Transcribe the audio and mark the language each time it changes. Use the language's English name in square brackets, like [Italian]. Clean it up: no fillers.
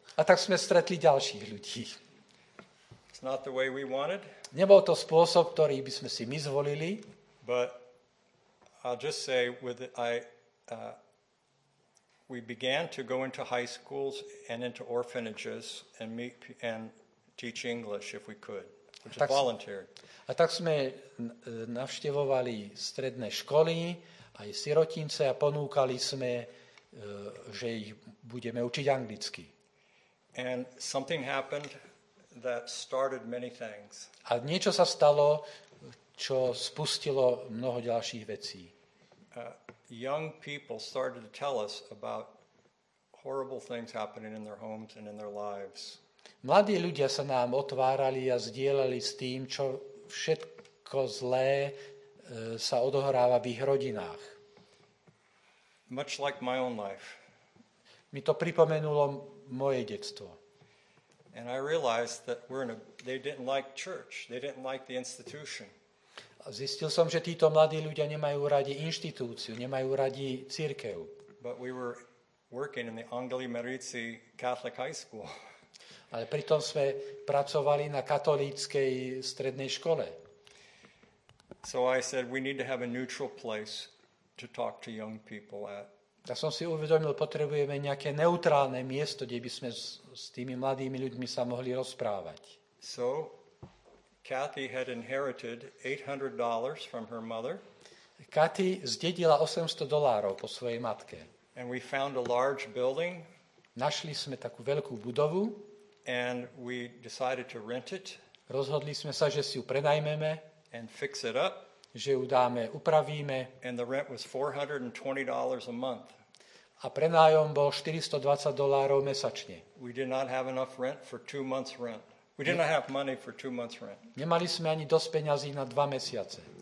[Slovak] A tak sme stretli ďalších ľudí. [English] It's not the way we wanted. [Slovak] Nebol to spôsob, ktorý by sme si my zvolili. [English] But I'll just say with we began to go into high schools and into orphanages and meet and teach English if we could, which is voluntary. [Slovak] A tak sme navštevovali stredné školy aj sirotince a ponúkali sme, že ich budeme učiť anglicky. [English] And something happened that started many things. [Slovak] A niečo sa stalo, čo spustilo mnoho ďalších vecí. [English] Young people started to tell us about horrible things happening in their homes and in their lives. [Slovak] Mladí ľudia sa nám otvárali a zdieľali s tým, čo všetko zlé sa odohráva v ich rodinách. [English] Much like my own life. [Slovak] Mi to pripomenulo moje detstvo. [English] And I realized that they didn't like church. They didn't like the institution. [Slovak] A zistil som, že títo mladí ľudia nemajú radi inštitúciu, nemajú radi cirkev. [English] But we were working in the Angeli Merici Catholic High School. [Slovak] Ale pritom sme pracovali na katolíckej strednej škole. [English] So I said we need to have a neutral place to talk to young people at. [Slovak] Tak som si uvedomil, potrebujeme nejaké neutrálne miesto, kde by sme s tými mladými ľuďmi sa mohli rozprávať. [English] So, Kathy had inherited $800 from her mother. [Slovak] Kathy zdedila $800 po svojej matke. [English] And we found a large building. [Slovak] Našli sme takú veľkú budovu. [English] And we decided to rent it. [Slovak] Rozhodli sme sa, že si ju prenajmeme. [English] And fix it up. [Slovak] Že ju dáme, upravíme. [English] And the rent was $420 a month. [Slovak] A prenájom bol $420 mesačne. [English] We did not have enough rent for 2 months rent. We did not have money for 2 months rent. [Slovak] Nemali sme ani dosť peňazí na 2 mesiace.